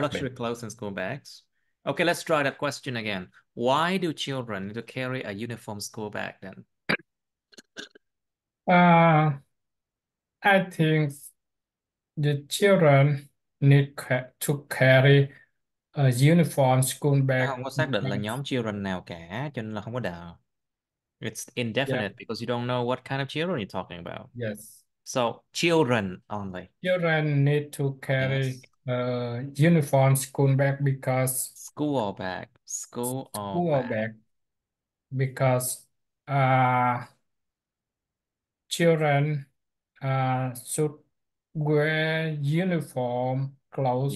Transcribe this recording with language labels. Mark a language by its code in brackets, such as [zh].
[en] Luxury clothes and school bags. Okay, let's try that question again. Why do children need to carry a uniform school bag then? I think the children need to carry a uniform school bag. [vi] Không có xác định là nhóm children nào cả, cho nên là không có đạo. [en] It's indefinite because you don't know what kind of children you're talking about. Yes. So children only. Children need to carry uniform school bag because school bag because children should wear uniform clothes,